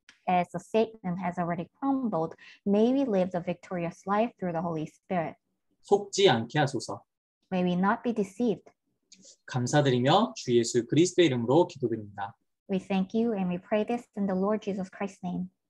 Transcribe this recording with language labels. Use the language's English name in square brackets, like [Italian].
[English] As the Satan has already crumbled, may we live the victorious life through the Holy Spirit. [Korean] 속지 않게 하소서. [English] May we not be deceived. [Korean] 감사드리며 주 예수 그리스도의 이름으로 기도드립니다. [English] We thank you and we pray this in the Lord Jesus Christ's name.